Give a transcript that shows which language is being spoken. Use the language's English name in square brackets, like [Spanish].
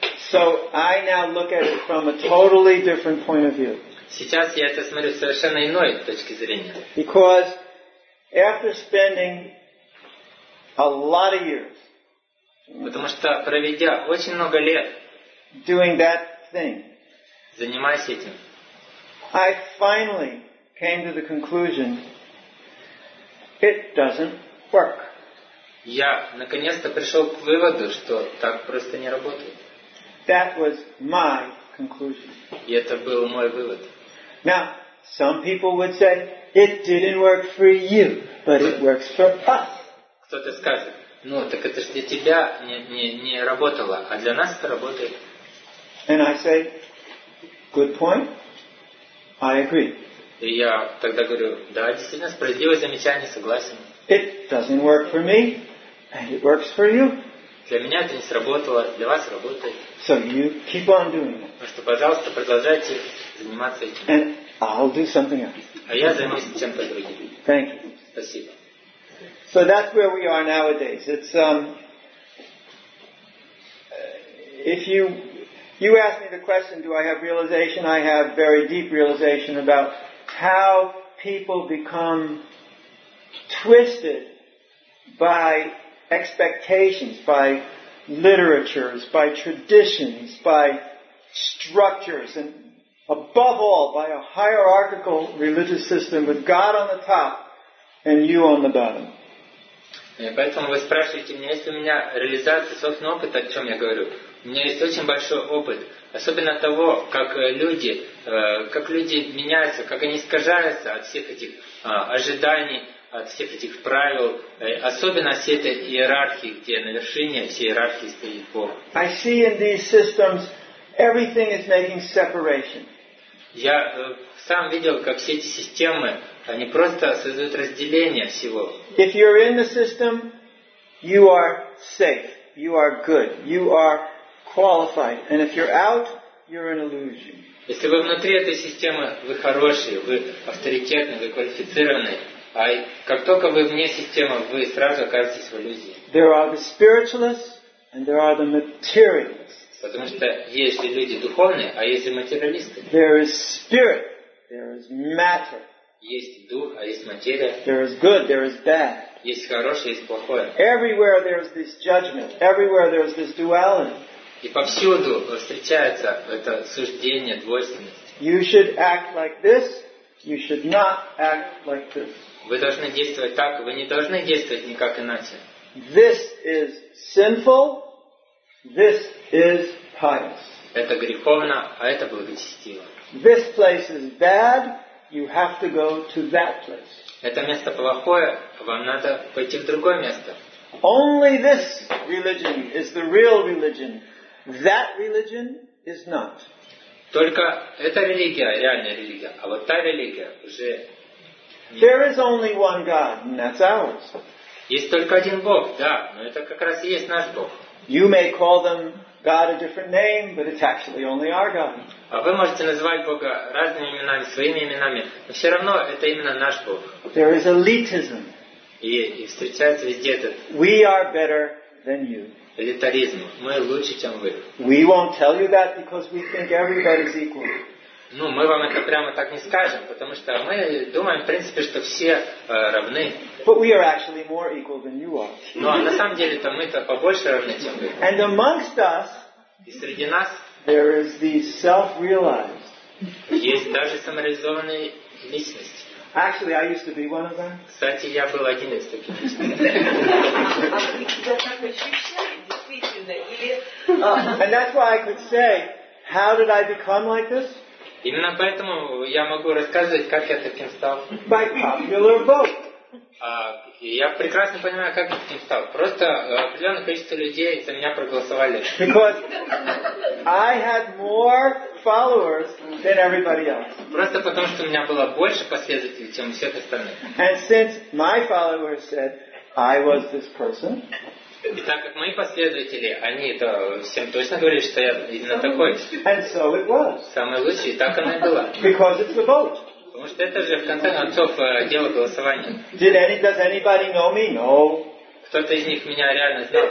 [English] So, I now look at it from a totally different point of view. [Russian] Сейчас я это смотрю с совершенно иной точки зрения. [English] Because after spending a lot of years, [Russian] потому что проведя очень много лет [English] doing that thing, [Russian] занимаясь этим, [English] I finally came to the conclusion it doesn't work. [Russian] Я наконец-то пришел к выводу, что так просто не работает. [English] That was my conclusion. [Russian] И это был мой вывод. [English] Now, some people would say it didn't work for you, but it works for us. [Russian] Кто-то скажет: ну, так это же для тебя не работало, а для нас это работает. [English] And I say, good point. I agree. [Russian] И я тогда говорю: да, действительно, справедливое замечание, согласен. [English] It doesn't work for me, and it works for you. [Russian] Для меня это не сработало, для вас работает. [English] So you keep on doing it. [Russian] Ну что, пожалуйста, продолжайте заниматься этим. [English] And I'll do something else. [Russian] А я займусь чем-то другим. [English] Thank you. [Russian] Спасибо. [English] So that's where we are nowadays. It's if you ask me the question, do I have realization? I have very deep realization about how people become twisted by expectations, by literatures, by traditions, by structures, and above all, by a hierarchical religious system with God on the top and you on the bottom. [Russian] Поэтому вы спрашиваете меня, есть ли у меня реализация собственного опыта, о чем я говорю. У меня есть очень большой опыт, особенно того, как люди меняются, как они искажаются от всех этих ожиданий, от всех этих правил, особенно от всей этой иерархии, где на вершине всей иерархии стоит Бог. [English] I see in these systems everything is making separation. [Russian] Я сам видел, как все эти системы, они просто создают разделение всего. [English] If you're in the system, you are safe. you are good, you are qualified, and if you're out, you're an illusion. [Russian] Если вы внутри этой системы, вы хорошие, вы авторитетные, вы квалифицированные, а как только вы вне системы, вы сразу окажетесь в иллюзии. [English] There are the spiritualists and there are the materialists. [Russian] Потому что есть ли люди духовные, а есть ли материалисты? [English] There is spirit, there is matter. [Russian] Есть дух, а есть материя. [English] There is good, there is bad. [Russian] Есть хорошее, есть плохое. [English] Everywhere there is this judgment. Everywhere there is this duality. [Russian] И повсюду встречается это суждение, двойственность. [English] You should act like this. You should not act like this. [Russian] Вы должны действовать так, вы не должны действовать никак иначе. [English] This is sinful. This is pious. [Russian] Это греховно, а это благочестиво. [English] This place is bad. You have to go to that place. [Russian] Это место плохое, вам надо пойти в другое место. [English] Only this religion is the real religion. That religion is not. [Russian] Только эта религия реальная религия, а вот та религия уже. [English] There is only one God, and that's ours. [Russian] Есть только один Бог, да, но это как раз и есть наш Бог. [English] You may call them God a different name, but it's actually only our God. [Russian] А вы можете называть Бога разными именами, своими именами, но все равно это именно наш Бог. [English] There is elitism. [Russian] И встречается везде этот. [English] We are better than you. [Russian] Элитаризм. Мы лучше, чем вы. [English] We won't tell you that because we think everybody's equal. [Russian] Ну, мы вам это прямо так не скажем, потому что мы думаем, в принципе, что все равны. [English] But we are actually more equal than you are. [Russian] Ну, а на самом деле-то мы-то побольше равны, чем вы. [English] And amongst us, [Russian] и среди нас, [English] there is the self-realized. [Russian] Есть даже самореализованные личности. [English] Actually, I used to be one of them. [Russian] Кстати, я был один из таких. А вы себя так ощущали, действительно? [English] And that's why I could say, how did I become like this? [Russian] Именно поэтому я могу рассказывать, как я таким стал. [English] By popular vote. [Russian] Я прекрасно понимаю, как я таким стал. Просто определенное количество людей за меня проголосовали. [English] Because I had more followers than everybody else. [Russian] Просто потому, что у меня было больше последователей, чем у всех остальных. [English] And since my followers said I was this person. [Russian] И так как мои последователи, они это всем точно говорили, что я именно такой. [English] And so it was. [Russian] Самое лучшее, и так оно и было. [English] Because it's the vote. [Russian] Потому что это же в конце концов дело голосования. [English] Does anybody know me? No. [Russian] Кто-то из них меня реально знал?